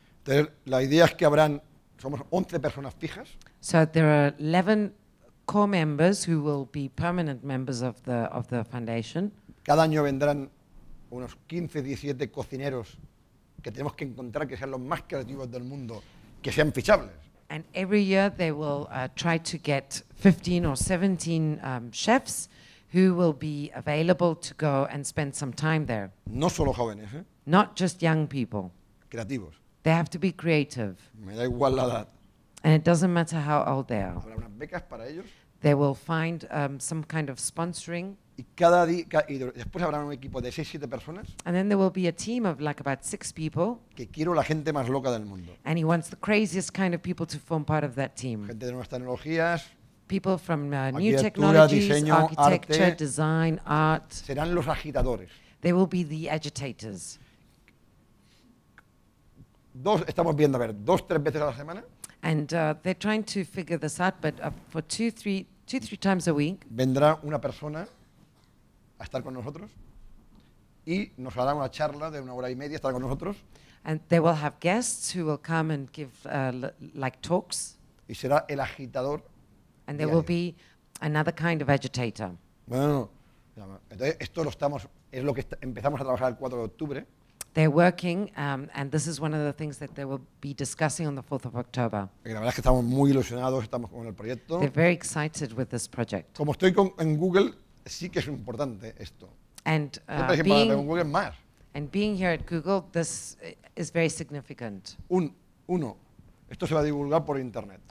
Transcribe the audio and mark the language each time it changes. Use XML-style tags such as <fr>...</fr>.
<es>Entonces, la idea es que habrán, somos 11 personas fijas.</es> <en>So there are 11 core members who will be permanent members of the foundation.</en> <es>Cada año vendrán unos 15, 17 cocineros que tenemos que encontrar que sean los más creativos del mundo, que sean fichables.</es> <en>And every year they will try to get 15 or 17 chefs who will be available to go and spend some time there.</en> <es>No solo jóvenes, ¿eh?</es> <en>Not just young people.</en> <es>Creativos.</es> <en>They have to be creative.</en> <es>Me da igual la edad.</es> <en>And it doesn't matter how old they are.</en> <es>Habrá unas becas para ellos.</es> <en>They will find some kind of sponsoring.</en> <es>Y cada día, y después habrá un equipo de 6-7 personas.</es> <en>And then there will be a team of like about 6 people.</en> <es>Que quiero la gente más loca del mundo.</es> <en>And he wants the craziest kind of people to form part of that team.</en> <es>Gente de nuevas tecnologías.</es> <en>People from new technologies,</en> <es>diseño,</es> <en>architecture,</en> <es>arte,</es> <en>design, art.</en> <es>Serán los agitadores.</es> <en>They will be the agitators.</en> <es>Dos, estamos viendo, a ver, dos, tres veces a la semana.</es> <en>And they're trying to figure this out, but for two, three times a week.</en> <es>Vendrá una persona a estar con nosotros y nos hará una charla de una hora y media, estar con nosotros.</es> <en>And they will have guests who will come and give like talks.</en> <es>Y será el agitador.</es> <en>And there will be another kind of agitator.</en> <es>Bueno, entonces esto lo estamos, es lo que empezamos a trabajar el 4 de octubre.</es> <en>They're working, and this is one of the things that they will be discussing on the 4th of October.</en> <es>La verdad es que estamos muy ilusionados, estamos con el proyecto.</es> <en>They're very excited with this project.</en> <es>Como estoy con, en Google, sí que es importante esto.</es> <en>And, and being here at Google, this is very significant.</en> <es>Uno, esto se va a divulgar por internet.</es>